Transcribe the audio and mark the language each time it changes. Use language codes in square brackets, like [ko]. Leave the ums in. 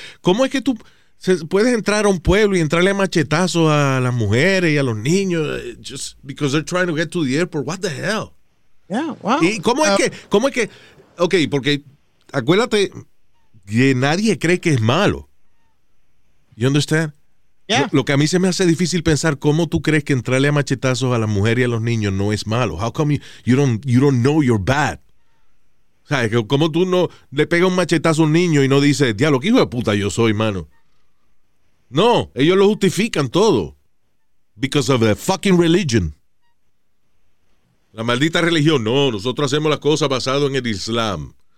[es] ¿Cómo es que tú puedes entrar a un pueblo y entrarle machetazo a las mujeres y a los niños [en] just because they're trying to get to the airport? What the hell? Yeah, wow. [es] ¿Y cómo uh... es que, cómo es que, ok, porque acuérdate que nadie cree que es malo. You entiendes? Yeah. Lo, lo, que a mí se me hace difícil pensar cómo tú crees que entrarle a machetazos a la mujer y a los niños no es malo. [en] How come you, you don't you don't know you're bad? [es] O sea, cómo tú no le pegas un machetazo a un niño y no dices, "Diablo, qué hijo de puta yo soy, mano." No, ellos lo justifican todo. [en] Because of the fucking religion. [es] La maldita religión. No, nosotros hacemos las cosas basado en el Islam.